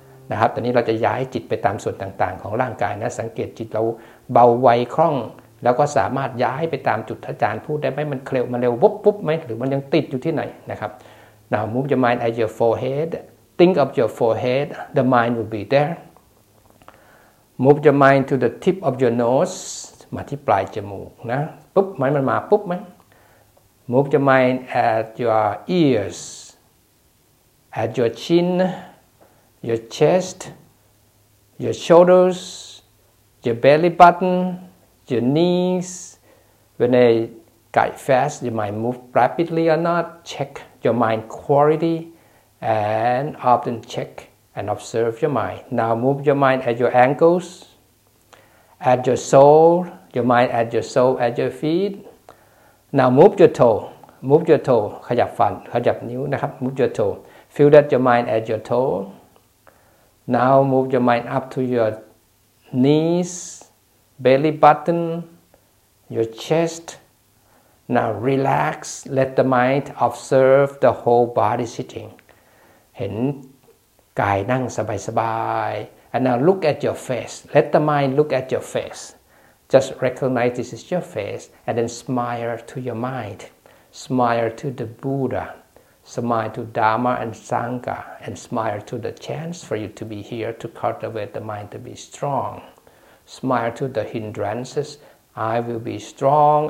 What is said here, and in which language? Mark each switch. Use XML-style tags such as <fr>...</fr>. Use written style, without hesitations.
<th>นะครับตอนนี้เราจะย้ายจิตไปตามส่วนต่างๆของร่างกายนะสังเกตจิตเราเบาไวคล่องแล้วก็สามารถย้ายไปตามจุดที่อาจารย์พูดได้ไหมมันเคลวมันเร็วปุ๊บปุ๊บไหมหรือมันยังติดอยู่ที่ไหนนะครับ</th> <en>Now move your mind at your forehead. Think of your forehead. The mind will be there. Move your mind to the tip of your nose.</en> <th>มาที่ปลายจมูกนะปุ๊บไหมมันมาปุ๊บไหม</th> <en>Move your mind at your ears, at your chin, your chest, your shoulders, your belly button. Your knees, when they guide fast, you might move rapidly or not. Check your mind quality and often check and observe your mind. Now move your mind at your ankles, at your sole, your mind at your sole, at your feet. Now move your toe, move your toe.</en> <th>ขยับฝ่าขยับนิ้วนะครับ</th> <en>move your toe. Feel that your mind at your toe. Now move your mind up to your kneesBelly button, your chest. Now relax, let the mind observe the whole body sitting.</en> <th>เห็นกายนั่งสบายๆ</th> <en>And now look at your face. Let the mind look at your face. Just recognize this is your face and then smile to your mind. Smile to the Buddha. Smile to Dharma and Sangha. And smile to the chance for you to be here to cultivate the mind to be strong. Smile to the hindrances. I will be strong.</en>